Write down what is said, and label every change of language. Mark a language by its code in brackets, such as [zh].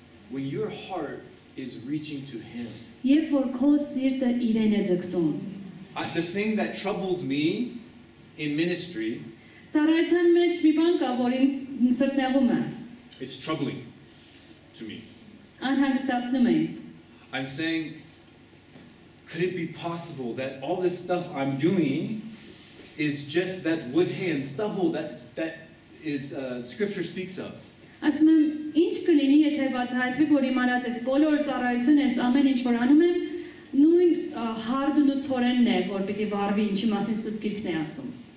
[en] When your heart is reaching to him. [hy] Երբ որ քո սիրտը իրեն է ձգտում. [en] The thing that troubles me in ministry. [hy] Ծառայության մեջ մի բան կա, որ ինձ սրտնեղում է. [en] It's troubling to me. [hy] Անհանգստացնում է ինձ. [en] I'm saying, could it be possible that all this stuff I'm doing is just that wood, hay, and stubble that is Scripture speaks of? [hy] Ասում, ինչ կլինի, եթե բացահայտվի, որ իմ առած ես բոլոր ծառայությունը, ես ամեն ինչ որ անում եմ, նույն հարդն ու ցորենն է, որ պիտի վառվի, ինչի մասին Սուրբ Գիրքն է ասում.